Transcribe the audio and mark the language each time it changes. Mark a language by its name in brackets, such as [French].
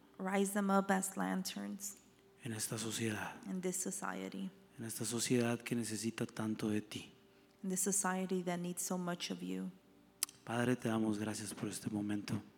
[English] Rise them up as lanterns. [Spanish] En esta sociedad. [English] In this society. [Spanish] En esta sociedad que necesita tanto de ti. [English] In the society that needs so much of you. [Spanish] Padre, te damos gracias por este momento.